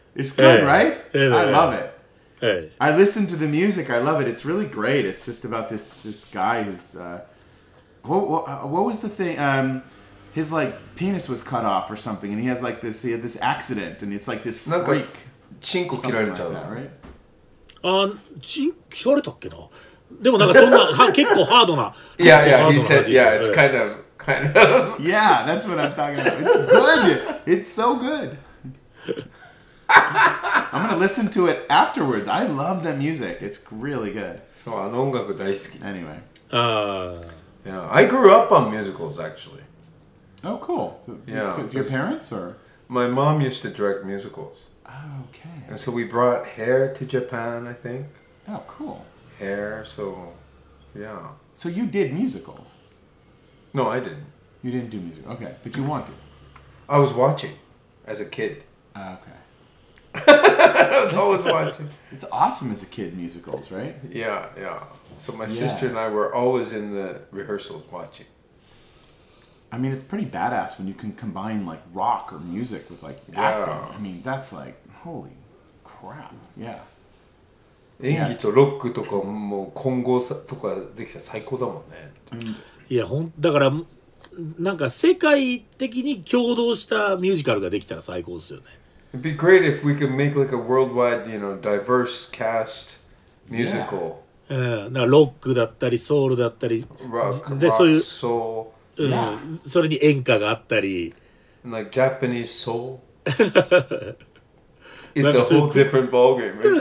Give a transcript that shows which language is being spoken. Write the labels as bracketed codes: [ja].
[en] It's good, right? I love it. I listen to the music. I love it. It's really great. It's just about this guy who's... what was the thing... His like penis was cut off or something, and he has like this. He had this accident, and it's like this freak. [ja] Chinko [en] killed him, right? Ah, chinko killed it, okay? [ja] でもなんかそんな結構ハードな。 [en] Yeah, yeah, he said. Yeah, it's kind of. Yeah, that's what I'm talking about. It's good. It's so good. I'm gonna listen to it afterwards. I love that music. It's really good. [ja] So, あの音楽大好き。 [en] Anyway. Yeah, I grew up on musicals, actually. Oh, cool. Yeah. Your parents, or? My mom used to direct musicals. Oh, okay. And so we brought Hair to Japan, I think. Oh, cool. Hair, so, yeah. So you did musicals? No, I didn't. You didn't do musicals. Okay, but you wanted. I was watching as a kid. Okay. I was always watching. It's awesome as a kid, musicals, right? Yeah, yeah. So my sister and I were always in the rehearsals watching. I mean, it's pretty badass when you can combine like rock or music with like acting. I mean, that's like, holy crap. Yeah. [ja] 演技とロックとかも混合とかできたら最高だもんね。いや、だからなんか世界的に共同したミュージカルができたら最高ですよね。 [en] It'd be great if we could make like a worldwide, you know, diverse cast musical. [ja] なんかロックだったりソウルだったり。 Rock, でそういう。ソウル。うん、yeah. それに演歌があったり、 [en] like Japanese soul, it's a whole different ballgame.